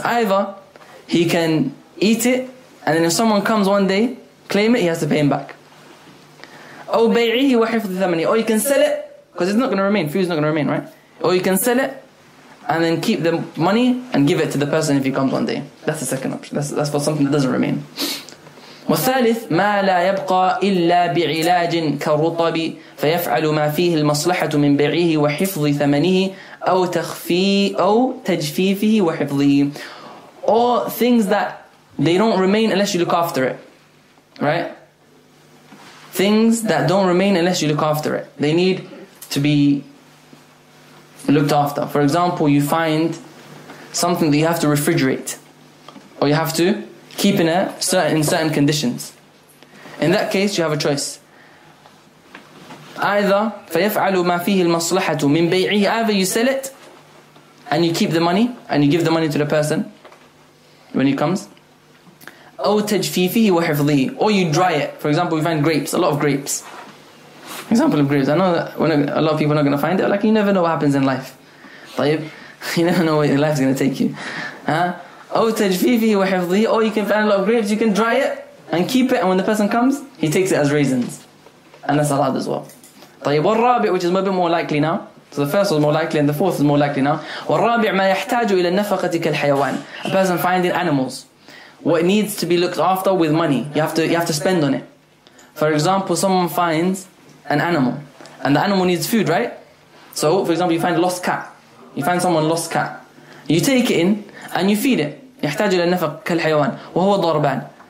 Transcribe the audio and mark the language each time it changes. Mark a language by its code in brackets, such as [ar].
[en] Either he can eat it, and then if someone comes one day, claim it, he has to pay him back. [ar] أو بيعه وحفظ ثمنه. [en] Or you can sell it, because it's not going to remain. Food is not going to remain, right? Or you can sell it and then keep the money and give it to the person if he comes one day. That's the second option. That's for something that doesn't remain. [ar] والثالث ما لا يبقى إلا بعلاج كالرطب فيفعل ما فيه المصلحة من بيعه وحفظ ثمنه أو تخفيه أو تجفيفه وحفظه. [en] Or things that they don't remain unless you look after it. Right? Things that don't remain unless you look after it. They need to be looked after. For example, you find something that you have to refrigerate, or you have to keep in it in certain conditions. In that case, you have a choice. Either [ar] فيفعل ما فيه المصلحة من بيعه, [en] either you sell it and you keep the money and you give the money to the person when he comes. [ar] أو تجفيفه وحفظه, [en] or you dry it. For example, we find grapes, a lot of grapes. Example of grapes. I know that a lot of people are not going to find it. Like, you never know what happens in life. [ar] طيب. [en] You never know where life is going to take you. [ar] أو تجفيفه وحفظه, [en] or you can find a lot of grapes, you can dry it and keep it, and when the person comes, he takes it as raisins. And that's allowed as well. [ar] طيب. والرابع, [en] which is a bit more likely now. So the first was more likely and the fourth is more likely now. [ar] والرابع ما يحتاج إلى النفقة كالحيوان. [en] A person finding animals. What needs to be looked after with money. You have to spend on it. For example, someone finds an animal, and the animal needs food, right? So, for example, you find a lost cat. You find someone lost cat. You take it in and you feed it. [ar] يحتاج إلى النفق كالحيوان وهو ضربان.